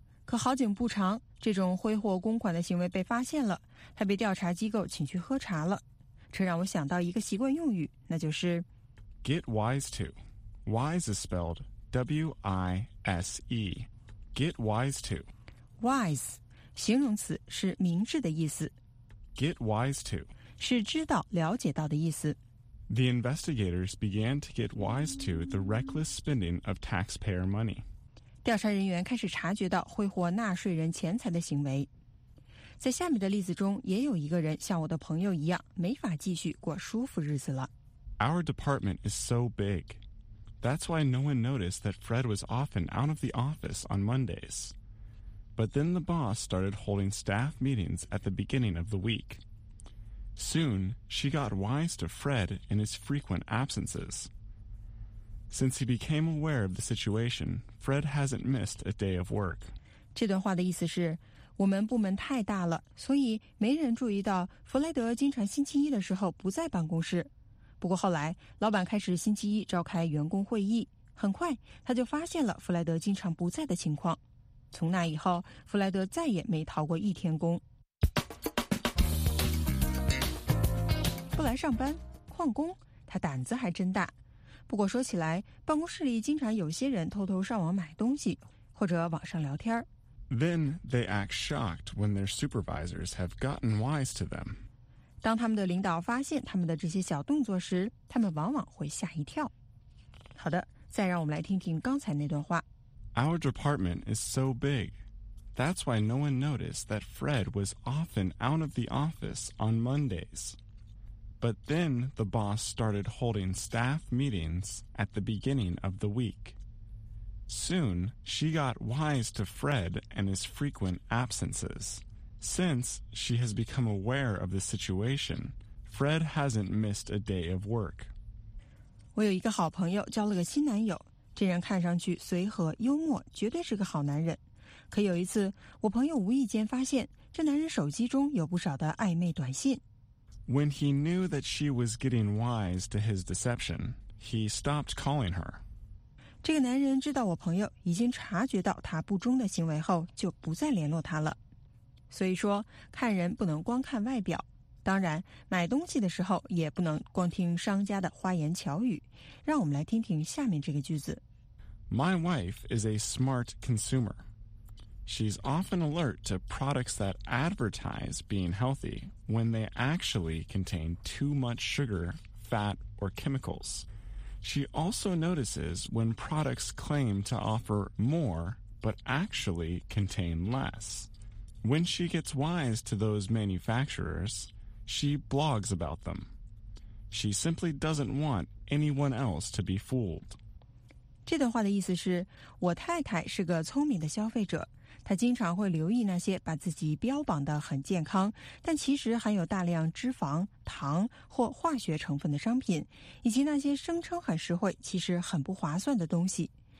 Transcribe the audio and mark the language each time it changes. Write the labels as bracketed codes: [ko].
[zh] 可好景不长，这种挥霍公款的行为被发现了，他被调查机构请去喝茶了。这让我想到一个习惯用语，那就是 [en] Get wise to. Wise is spelled W-I-S-E. Get wise to. [zh] Wise, 形容词，是明智的意思。 [en] Get wise to. [zh] 是知道、了解到的意思。 [en] The investigators began to get wise to the reckless spending of taxpayer money. [zh] 调查人员开始察觉到挥霍纳税人钱财的行为。在下面的例子中，也有一个人像我的朋友一样，没法继续过舒服日子了。 [en] Our department is so big. That's why no one noticed that Fred was often out of the office on Mondays. But then the boss started holding staff meetings at the beginning of the week. Soon, she got wise to Fred and his frequent absences. Since he became aware of the situation, Fred hasn't missed a day of work. [zh] 这段话的意思是，我们部门太大了，所以没人注意到弗雷德经常星期一的时候不在办公室。不过后来，老板开始星期一召开员工会议，很快他就发现了弗雷德经常不在的情况。从那以后，弗雷德再也没逃过一天工。不来上班，旷工，他胆子还真大。不过说起来，办公室里经常有些人偷偷上网买东西，或者网上聊天。 [en] Then they act shocked when their supervisors have gotten wise to them. [zh] 当他们的领导发现他们的这些小动作时，他们往往会吓一跳。好的，再让我们来听听刚才那段话。 [en] Our department is so big. That's why no one noticed that Fred was often out of the office on Mondays. But then the boss started holding staff meetings at the beginning of the week. Soon, she got wise to Fred and his frequent absences. Since she has become aware of the situation, Fred hasn't missed a day of work. [zh] 我有一个好朋友交了个新男友，这人看上去随和幽默，绝对是个好男人。可有一次，我朋友无意间发现这男人手机中有不少的暧昧短信。 [en] When he knew that she was getting wise to his deception, he stopped calling her. [zh] 这个男人知道我朋友已经察觉到他不忠的行为后，就不再联络他了。所以说，看人不能光看外表。当然，买东西的时候也不能光听商家的花言巧语。让我们来听听下面这个句子。 [en] My wife is a smart consumer. She's often alert to products that advertise being healthy when they actually contain too much sugar, fat, or chemicals. She also notices when products claim to offer more but actually contain less. When she gets wise to those manufacturers, she blogs about them. She simply doesn't want anyone else to be fooled. [zh] 这段话的意思是，我太太是个聪明的消费者。他经常会留意那些把自己标榜得很健康，但其实含有大量脂肪、糖或化学成分的商品，以及那些声称很实惠，其实很不划算的东西。